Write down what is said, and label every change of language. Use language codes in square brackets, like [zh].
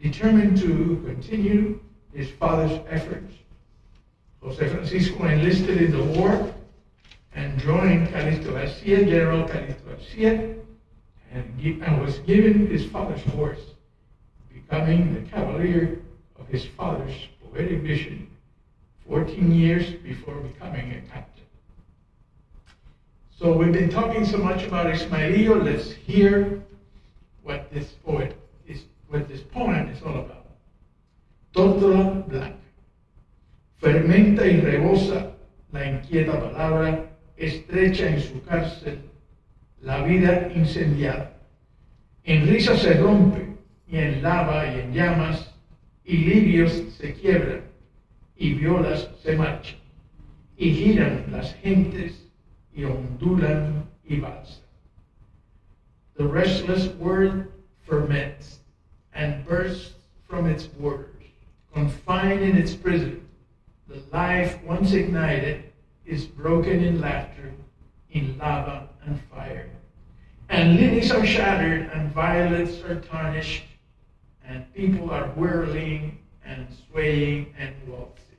[en] Determined to continue his father's efforts, José Francisco enlisted in the war and joined Calixto García, General Calixto García, and was given his father's horse, becoming the cavalier of his father's poetic vision 14 years before becoming a captain. So we've been talking so much about Ismaelillo, let's hear what this poem is all about. Tórtola Black. [es] Fermenta y rebosa la inquieta palabra, estrecha en su cárcel, la vida incendiada. En risa se rompe, y en lava y en llamas, y lirios se quiebran, y violas se marchan, y giran las gentes, y ondulan y balsan. [en] The restless world ferments and bursts from its borders. Confined in its prison, the life once ignited is broken in laughter, in lava and fire. And lilies are shattered, and violets are tarnished, and people are whirling and swaying and waltzing.